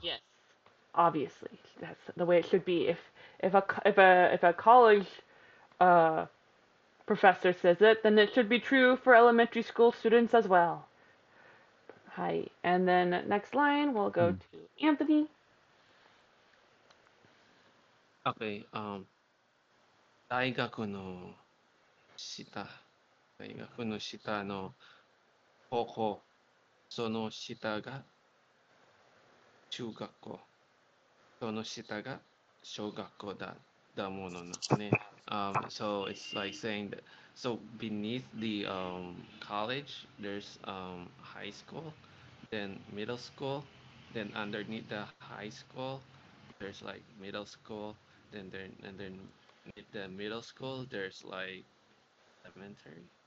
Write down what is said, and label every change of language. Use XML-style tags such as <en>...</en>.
<en>Yes. Obviously. That's the way it should be. If a college professor says it, then it should be true for elementary school students as well. Hi. And then next line we'll go to Anthony.</en> <ja>Okay, 大学の下、大学の下の高校、その下が中学校、その下が小学校だものなのね。</ja> <en>So it's like saying that, so beneath the college, there's high school, then middle school, then underneath the high school, there's like middle school,Then the middle school, there's like elementary.</en>